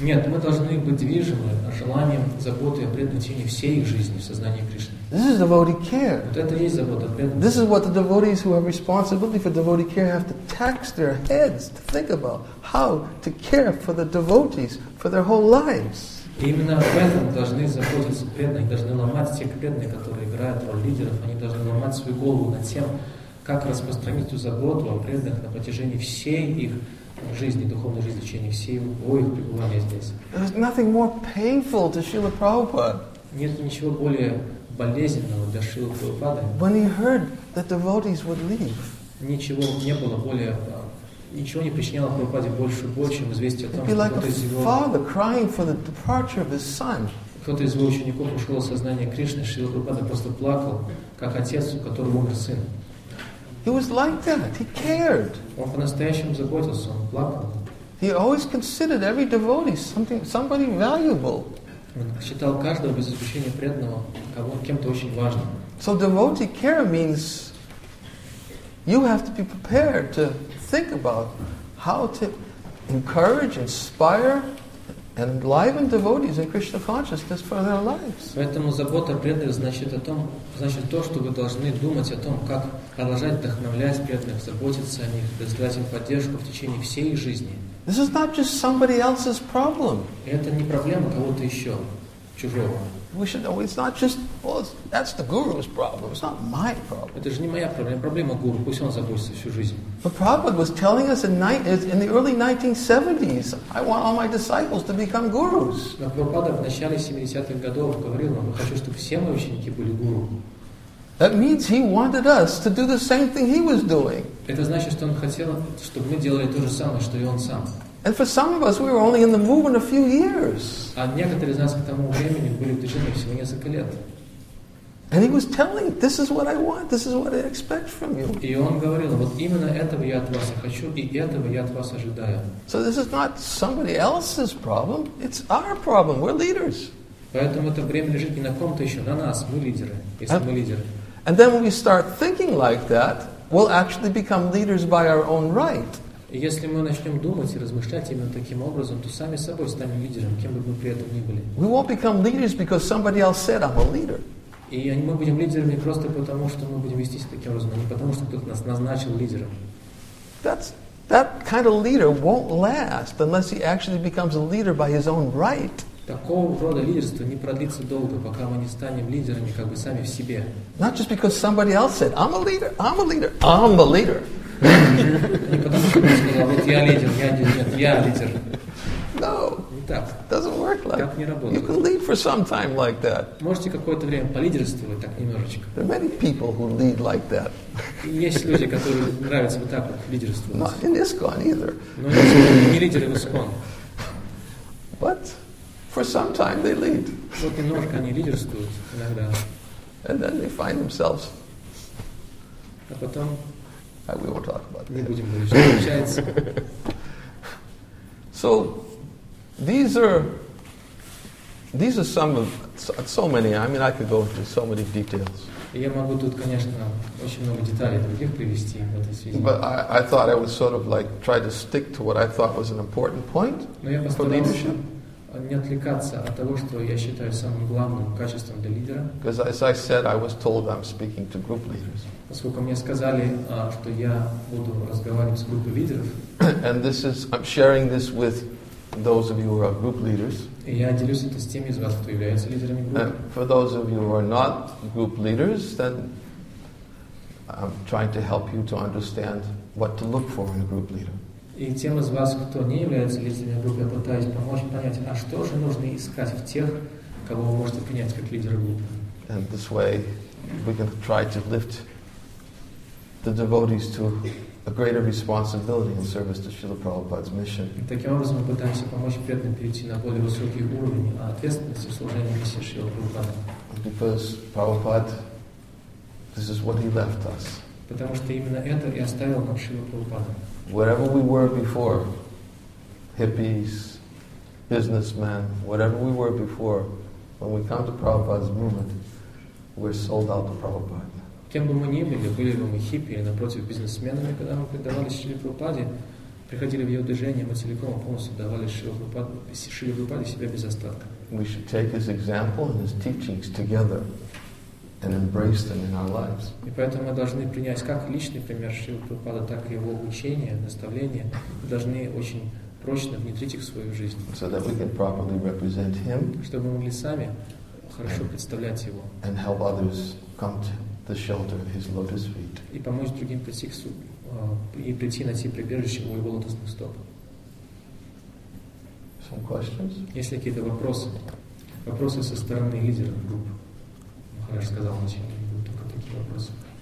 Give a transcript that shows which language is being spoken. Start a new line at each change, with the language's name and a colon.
Russian: Нет, мы должны быть движимы желанием заботы о преданном течении всей их жизни в сознании Кришны.
English: This is devotee care.
Russian: Вот это и есть забота о преданном.
English: This is what the devotees who have responsibility for devotee care have to tax their heads to think about how to care for the devotees for their whole lives.
Russian: Именно об этом должны заботиться преданные, должны ломать те преданные, которые играют роль лидеров, они должны ломать свою голову над тем, как распространить эту заботу о преданных на протяжении всей их жизни, духовной жизни, в течение всего их пребывания здесь.
English: There's nothing more painful to Srila Prabhupada.
Russian: Нет ничего более болезненного для Шрилы Прабхупады.
English: When he heard that devotees would leave.
Russian: Ничего не было более, ничего не причиняло Прабхупаде больше боли, чем известие о том, что кто-то из его...
English: Father crying for the departure of his son.
Russian: Кто-то из его учеников ушел в сознание Кришны, Шрила Прабхупада просто плакал, как отец, у которого умер сын.
English: He was like that. He cared.
Russian: Он по-настоящему заботился, он плакал.
English: He always considered every devotee something, somebody valuable.
Russian: Он считал каждого без исключения преданного кем-то очень важным.
English: So devotee care means you have to be prepared to think about how to encourage, inspire, and enliven devotees in Krishna consciousness for their lives.
Russian: Поэтому забота о преданных значит о том, значит то, что вы должны думать о том, как продолжать вдохновлять преданных, заботиться о них, предоставлять им поддержку в течение всей их жизни.
English: This is not just somebody else's problem.
Russian: Это не проблема кого-то еще. чужого.
English: We should know it's not just, well, that's the guru's problem. It's not my problem.
Russian: Это же не моя проблема. Проблема гуру. Пусть он заботится всю жизнь.
English: But Prabhupada was telling us in the early 1970s, I want all my disciples to become gurus.
Russian: Прабхупада в начале 70-х годов говорил нам, хочу, чтобы все мои ученики были гуру.
English: That means he wanted us to do the same thing he was doing.
Russian: Это значит, что он хотел, чтобы мы делали то же самое, что и он сам.
English: And for some of us, we were only in the movement a few years.
Russian: А некоторые из нас к тому времени были в движении всего несколько лет.
English: And he was telling, "This is what I want. This is what I expect from you."
Russian: И он говорил, вот именно этого я от вас хочу и этого я от вас ожидаю.
English: So this is not somebody else's problem. It's our problem. We're leaders.
Russian: Поэтому это время лежит не на ком-то еще, на нас. Мы лидеры, если мы лидеры.
English: And then when we start thinking like that, we'll actually become leaders by our own right.
Russian: Если мы начнем думать и размышлять именно таким образом, то сами собой станем лидером, кем бы мы при этом ни были.
English: We won't become leaders because somebody else said I'm a leader.
Russian: И мы будем лидерами просто потому, что мы будем вести себя таким образом, а не потому, что кто-то нас назначил лидером.
English: That kind of leader won't last unless he actually becomes a leader by his own right.
Russian: Такого рода лидерство не продлится долго, пока мы не станем лидерами как бы сами в себе.
English: Not just because somebody else said, I'm a leader, I'm a leader, I'm the leader.
Russian: Не потому, что кто-то сказал, вот я лидер, я лидер.
English: No.
Russian: Не так.
English: Doesn't work like that.
Russian: Так не работает.
English: You can lead for some time like that.
Russian: Можете какое-то время полидерствовать так немножечко.
English: There are many people who lead like that.
Russian: Есть люди, которые нравятся вот так вот лидерствовать.
English: Not in ISKCON either.
Russian: Но не лидеры в ISKCON.
English: But for some time they lead.
Russian: Вот немножко они лидерствуют иногда.
English: And then they find themselves.
Russian: А потом.
English: We won't talk about that.
Russian: Не будем больше общаться.
English: So these are some of so many. I mean, I could go into so many details.
Russian: Я могу тут, конечно, очень много деталей других привести в этой связи.
English: But I thought I would sort of like try to stick to what I thought was an important point for leadership.
Russian: Не отвлекаться от того, что я считаю самым главным качеством для лидера.
English: Because as I said, I was told I'm speaking to group leaders.
Russian: Поскольку мне сказали, что я буду разговаривать с группой лидеров.
English: And this is, I'm sharing this with those of you who are group leaders.
Russian: И я делюсь это с теми из вас, кто является лидерами группы.
English: And for those of you who are not group leaders, then I'm trying to help you to understand what to look for in a group leader.
Russian: И тем из вас, кто не является лидерами группы, я пытаюсь помочь понять, а что же нужно искать в тех, кого вы можете принять как лидера группы.
English: And this way we can try to lift the devotees to a greater responsibility in service to Srila Prabhupada's mission.
Russian: Таким образом, мы пытаемся помочь преданным перейти на более высокий уровень ответственности в служении миссии Шрилы Прабхупады.
English: Because Prabhupada, this is what he left us.
Russian: Потому что именно это и оставил нам Шрила Прабхупада.
English: Wherever we were before, hippies, businessmen, whatever we were before, when we come to Prabhupada's movement, we're sold out to Prabhupada.
Russian: Кем бы мы ни были бы мы хиппи или напротив бизнесменами, когда мы предавались Шриле Прабхупаде, приходили в ее движение, мы целиком полностью давали Шриле Прабхупаде себя без остатка.
English: We should take his example and his teachings together and embrace them in our lives.
Russian: И поэтому мы должны принять как личный пример Шриле Прабхупаде, так и его учение, наставление, мы должны очень прочно внедрить их в свою жизнь.
English: So that we can properly represent him.
Russian: Чтобы мы могли сами хорошо представлять его.
English: And help others come to the shelter of his lotus feet.
Russian: И помочь другим прийти к суп и прийти на те прибежище у его лотосных стоп.
English: Some questions?
Russian: Есть ли какие-то вопросы? Вопросы со стороны лидера группы. Махарадж сказал, что не будут только такие вопросы.